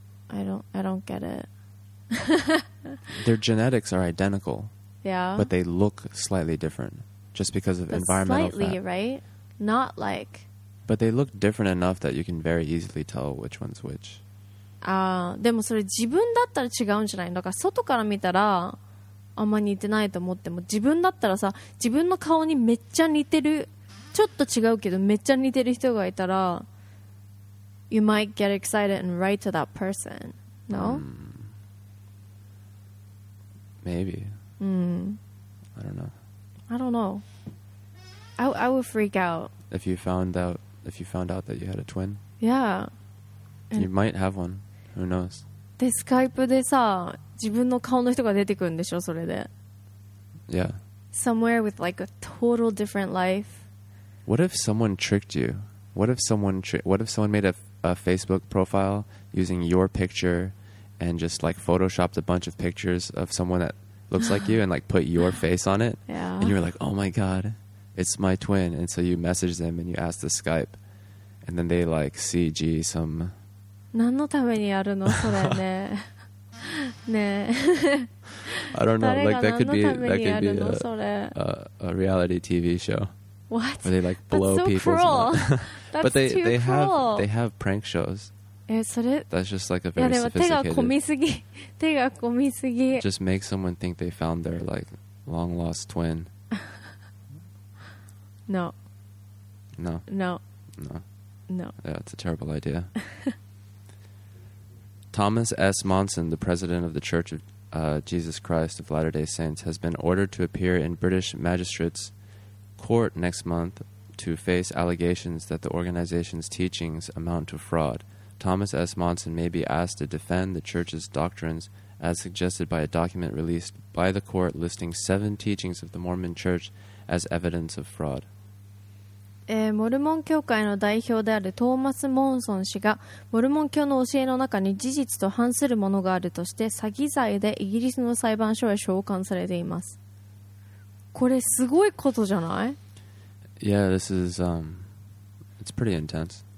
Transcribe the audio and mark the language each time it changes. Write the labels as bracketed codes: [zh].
[en] I don't get it. Their genetics are identical. Yeah. But they look slightly different just because of environmental factors. Slightly, right? Not like. But they look different enough that you can very easily tell which one's which. [ja] Ah, でもそれ自分だったら違うんじゃない？だから外から見たらあんま似てないと思っても自分だったらさ自分の顔にめっちゃ似てるちょっと違うけどめっちゃ似てる人がいたら [en] You might get excited and write to that person. No? Maybe. Mm. I don't know. I don't know. I would freak out. If you found out that you had a twin? Yeah. You might have one. Who knows? [ja] でスカイプでさ、自分の顔の人が出てくるんでしょ、それで。 [en] Yeah. Somewhere with like a total different life. What if someone tricked you? What if someone made a Facebook profile using your picture... And just like photoshopped a bunch of pictures of someone that looks like you and like put your face on it. Yeah. And you were like, oh my God, it's my twin. And so you message them and you ask the Skype. And then they like CG some. [ja] 何のためにやるのそれね。ね。 [en] I don't know. Like that could be, a reality TV show. What? Where they like blow people. That's so cruel. That's But they cruel. have prank shows. [ja] それ [en] That's just like a very sophisticated [ja] 手が込みすぎ [en] Just make someone think they found their like long lost twin No. Yeah, it's a terrible idea. Thomas S. Monson, the president of the Church of Jesus Christ of Latter-day Saints, has been ordered to appear in British Magistrates Court next month to face allegations that the organization's teachings amount to fraudThomas S. Monson may be asked to defend the church's doctrines as suggested by a document released by the court listing 7 teachings of the Mormon Church as evidence of fraud. [ja] モルモン教会の代表であるトーマス・モンソン氏がモルモン教の教えの中に事実と反するものがあるとして詐欺罪でイギリスの裁判所へ召喚されています。これすごいことじゃない? [en] Yeah, this is, it's pretty intense.